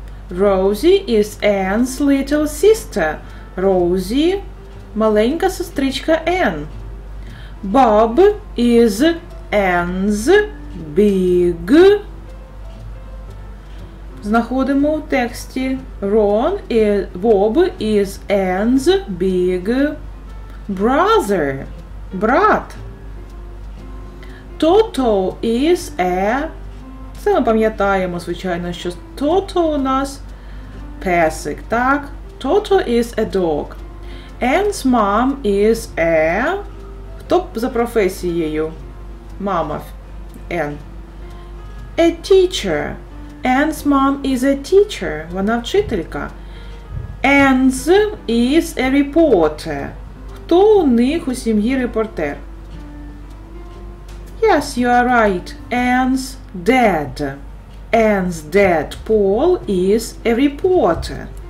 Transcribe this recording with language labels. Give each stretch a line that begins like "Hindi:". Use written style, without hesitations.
English: Роузі is Anne's little sister.
Ukrainian: Роузі – маленька сестричка Anne.
English: Bob is Anne's big...
Ukrainian: Знаходимо у тексті.
English: Ron is, Bob is Anne's big brother.
Ukrainian: Брат.
English: Toto is a...
Ukrainian: Це ми пам'ятаємо, звичайно, що Toto у нас песик, так?
English: Toto is a dog. Anne's mom is a...
Ukrainian: Хто за професією? Мама Anne.
English: A teacher. Anne's mom is a teacher.
Ukrainian: Вона вчителька.
English: Anne's is a reporter.
Ukrainian: Хто у них у сім'ї репортер?
English: Yes, you are right. Anne's dad. Anne's dad, Paul, is a reporter.